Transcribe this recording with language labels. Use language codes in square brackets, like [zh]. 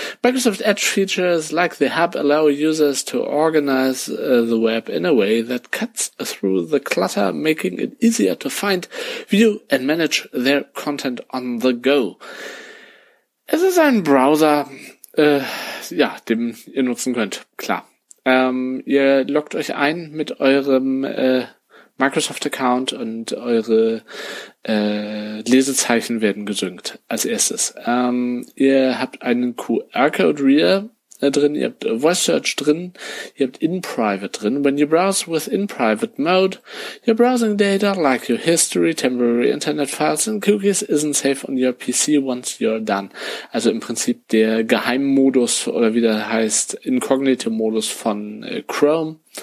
[en] Microsoft Edge Features like the Hub allow users to organize the web in a way that cuts through the clutter, making it easier to find, view and manage their content on the go. [de] Es ist ein Browser, den ihr nutzen könnt, klar. Ihr loggt euch ein mit eurem Microsoft Account und eure Lesezeichen werden gesynkt als erstes. Ihr habt einen QR-Code Reader drin, ihr habt Voice Search drin, ihr habt InPrivate drin. [en] When you browse with InPrivate Mode, your browsing data, like your history, temporary internet files and cookies, isn't safe on your PC once you're done. [de] Also im Prinzip der Geheimmodus oder wie der heißt, Incognito-Modus von Chrome.